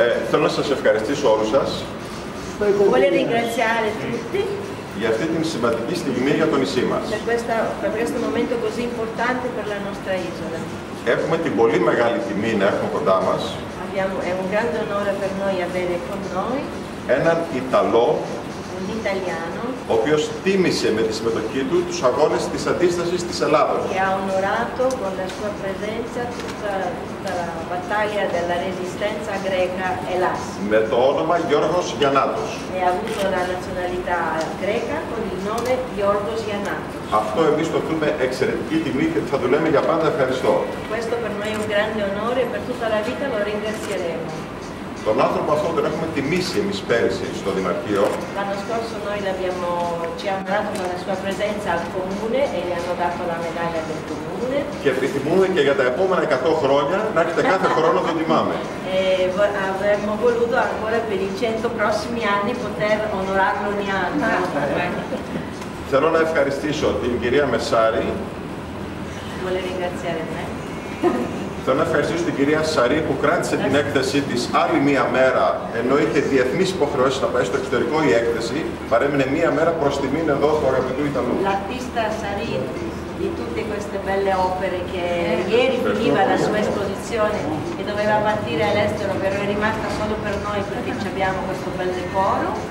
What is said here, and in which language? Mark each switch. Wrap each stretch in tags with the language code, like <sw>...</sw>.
<el>Θέλω να σας ευχαριστήσω όλους σας.</el> <it>Πολύ ringraziare tutti.</it> <el>Για αυτή την σημαντική στιγμή για το νησί μας.</el> <it>Per questo momento così importante per la nostra isola.</it> <el>Έχουμε την πολύ μεγάλη τιμή να έχουμε κοντά μας.</el> <it>È un grande onore per noi avere con noi.</it> <el>Έναν Ιταλό.</el> <it>Un italiano.</it> <el>Ο οποίος τίμησε με τη συμμετοχή του τους αγώνες της αντίστασης της Ελλάδος.</el> <it>Che ha onorato con la sua presenza tutta la battaglia della resistenza greca Ελλάς.</it> <el>Με το όνομα Γιώργος Γιαννάτος.</el> <it>E ha avuto la nazionalità greca con il nome Γιώργος Γιαννάτος.</it> <el>Αυτό εμείς το θεωρούμε εξαιρετική τιμή και θα του λέμε για πάντα ευχαριστώ.</el> <it>Questo per noi è un grande onore e per tutta la vita lo ringrazieremo.</it> <el>Τον άνθρωπο αυτό τον έχουμε τιμήσει εμείς πέρυσι στο Δημαρχείο.</el> <it>L'anno scorso noi l'abbiamo ci ha onorato con la sua presenza al comune e gli hanno dato la medaglia del comune.</it> <el>Και επιθυμούμε και για τα επόμενα 100 χρόνια να έρχεται κάθε χρόνο να τον τιμάμε.</el> <it>E avremmo voluto ancora per i 100 prossimi anni poter onorarlo ogni anno.</it> <el>Θέλω να ευχαριστήσω την κυρία Μεσάρη. Πολύ ευχαριστώ. Θέλω να ευχαριστήσω την κυρία Σαρή που κράτησε την έκθεσή της άλλη μία μέρα, ενώ είχε διεθνείς υποχρεώσεις να πάει στο εξωτερικό η έκθεση, παρέμεινε μία μέρα προς τιμήν εδώ του αγαπητού Ιταλού.</el> <it>L'artista Σαρή, di tutte queste belle opere che ieri finiva la sua esposizione e doveva partire all'estero, però è rimasta solo per noi perché ci abbiamo questo bel decoro.</it>